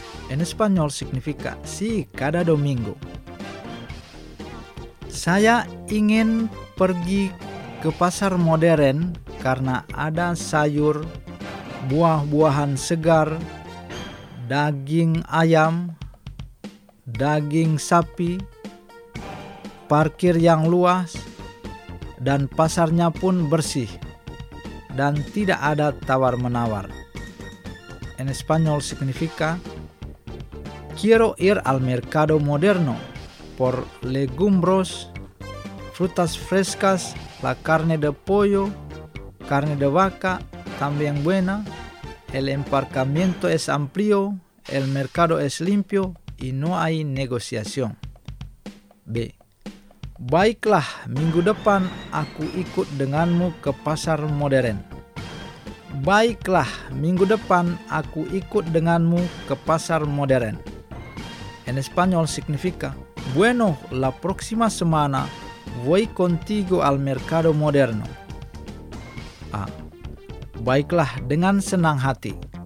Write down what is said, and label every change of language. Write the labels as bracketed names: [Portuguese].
[Spanish] En español significa sí, cada domingo. [Indonesian] Saya ingin pergi ke pasar modern karena ada sayur, buah-buahan segar, daging ayam, daging sapi, parkir yang luas, dan pasarnya pun bersih, dan tidak ada tawar-menawar. [Spanish] En español significa Quiero ir al mercado moderno por legumbres, frutas frescas, la carne de pollo, carne de vaca, también buena. El emparcamiento es amplio, el mercado es limpio y no hay negociación. B. [Indonesian] Baiklah, minggu depan aku ikut denganmu ke pasar modern. [Spanish] En español significa Bueno, la próxima semana voy contigo al mercado moderno. A. [Indonesian] Baiklah, dengan senang hati.